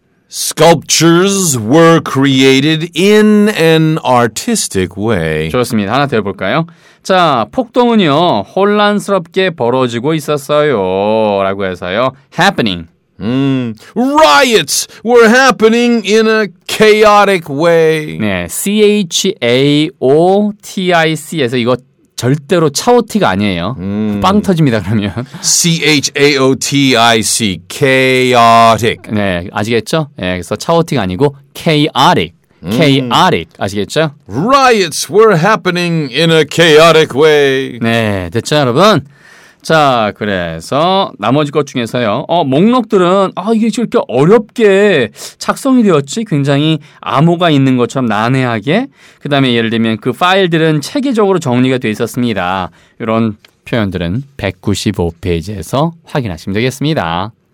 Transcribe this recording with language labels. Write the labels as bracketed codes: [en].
[en] Sculptures were created in an artistic way. [ko] 좋습니다. 하나 더 해볼까요? 자, 폭동은요, 혼란스럽게 벌어지고 있었어요. 라고 해서요, happening. [en] Riots were happening in a chaotic way. [ko] 네, C-H-A-O-T-I-C에서 이거 절대로 차오티가 아니에요. 빵 터집니다, 그러면. C-H-A-O-T-I-C, chaotic. 네, 아시겠죠? 네, 그래서 차오티가 아니고 chaotic, chaotic, 아시겠죠? [en] Riots were happening in a chaotic way. [ko] 네, 됐죠, 여러분? 자, 그래서 나머지 것 중에서요. 목록들은 이게 이렇게 어렵게 작성이 되었지? 굉장히 암호가 있는 것처럼 난해하게. 그다음에 예를 들면 그 파일들은 체계적으로 정리가 돼 있었습니다. 이런 표현들은 195페이지에서 확인하시면 되겠습니다.